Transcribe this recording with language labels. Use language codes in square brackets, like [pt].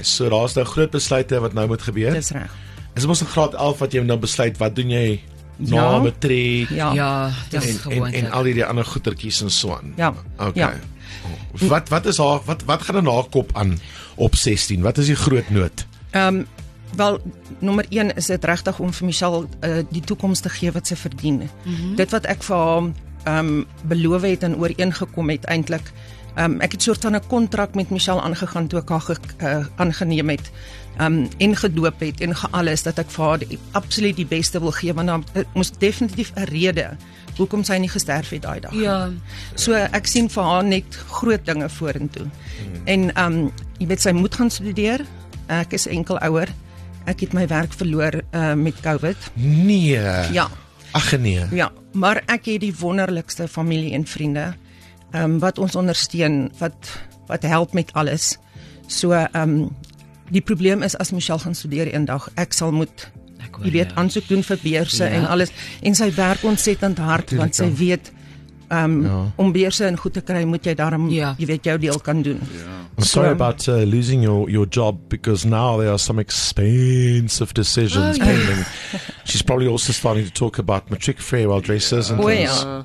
[af] So daar's nou groot besluite wat nou moet gebeur. Dis reg. Is mos 'n graad 11 wat jy nou besluit, wat doen jy na matriek? Ja, ja, dis gewoon. En al die ander goetertjies en so aan. Ja, okay. Ja. Wat is haar, wat gaan in haar kop aan op 16? Wat is die groot nood? Wel, nummer 1 is dit regtig om vir Michelle die toekoms te gee wat sy verdien. Mm-hmm. Dit wat ek vir haar beloof het en ooreengekom het eintlik. Ek het soort van 'n kontrak met Michelle aangegaan toe ek haar aangeneem het. En gedoop het en gealles dat ek vir haar absoluut die beste wil gee. Want daar moes definitief 'n rede hoekom sy nie gesterf het daai dag. Ja. So ek sien vir haar net groot dinge vorentoe. En jy weet, sy moet gaan studeer. Ek is enkel ouer. Ek het my werk verloor met COVID. Nee. Ja. Ag nee. Ja, maar ek het die wonderlikste familie en vriende wat ons ondersteun, wat help met alles. So die probleem is, as Michelle gaan studeer een dag, ek sal moet, jy weet, aansoek doen vir beurse en alles. En sy werk ontsettend hard, want sy weet, om beurse in goed te kry, moet jy daarom, jy weet, jou deel kan doen. [en] Yeah. I'm sorry about losing your job, because now there are some expensive decisions pending. She's probably also starting to talk about matric farewell dresses and things.